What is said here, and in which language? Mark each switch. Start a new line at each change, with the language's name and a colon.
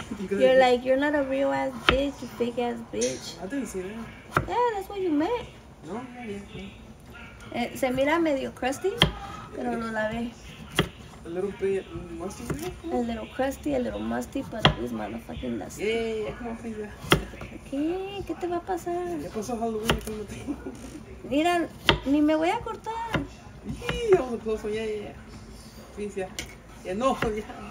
English: You're like, you're not a real ass bitch, you fake ass bitch. I didn't see that. Yeah, that's what you meant. No, yeah.
Spanish: Se mira medio crusty, pero no la ve.
English: A little bit musty. A little crusty, a little musty, but this motherfucking dusty. Yeah.
Spanish: ¿Qué? ¿Qué te va a pasar? Ya pasó Halloween, aquí no tengo. Mira, ni me voy a cortar.
English: Yeah, I'm close. Yeah. Sí, yeah. Yeah, no, yeah.